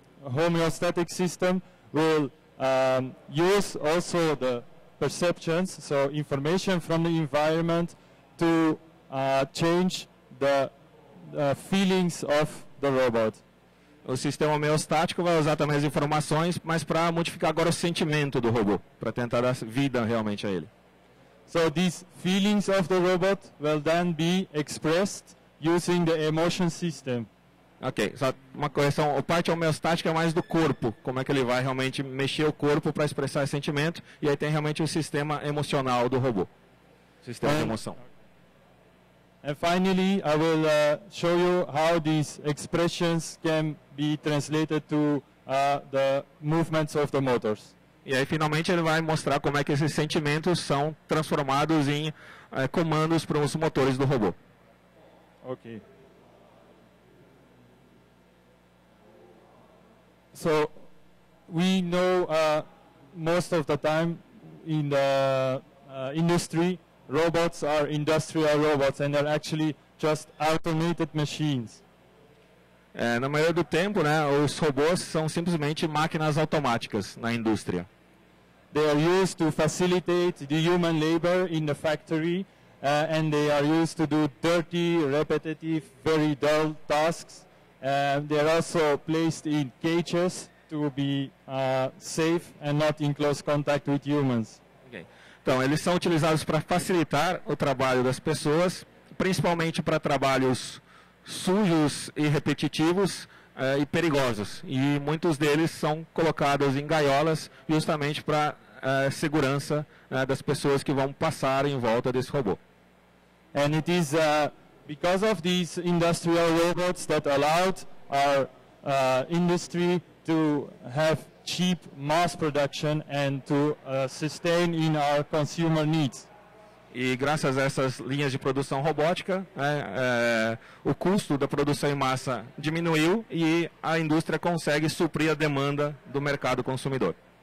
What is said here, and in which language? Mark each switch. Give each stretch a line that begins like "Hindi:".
English: A homeostatic system will use also the perceptions, so information from the environment, to change the feelings of the robot.
Portuguese: O sistema homeostático vai usar também as informações, mas para modificar agora o sentimento do robô, para tentar dar vida realmente a ele.
English: So these feelings of the robot will then be expressed using the emotion system.
Portuguese: Ok, só uma correção. A parte homeostática é mais do corpo. Como é que ele vai realmente mexer o corpo para expressar esse sentimento? E aí tem realmente o sistema emocional do robô. Sistema de emoção.
English: And finally, I will show you how these expressions can be translated to the movements of the motors.
Portuguese: E aí, finalmente, ele vai mostrar como é que esses sentimentos são transformados em comandos para os motores do robô. Ok.
English: So, we know most of the time in the industry, robots are industrial robots, and they're actually just automated machines.
Portuguese: Na maioria do tempo, né, os robôs são simplesmente máquinas automáticas na indústria.
English: They are used to facilitate the human labor in the factory, and they are used to do dirty, repetitive, very dull tasks. They are also placed in cages to be safe and not in close contact with humans.
Portuguese: Então, eles são utilizados para facilitar o trabalho das pessoas, principalmente para trabalhos sujos e repetitivos e perigosos. E muitos deles são colocados em gaiolas justamente para a segurança das pessoas que vão passar em volta desse robô.
English: And it is because of these industrial robots that allowed our industry to have cheap mass production and to sustain in our consumer needs.
Portuguese: E graças a essas linhas de produção robótica, o custo da produção em massa diminuiu e a indústria consegue suprir a demanda do mercado consumidor.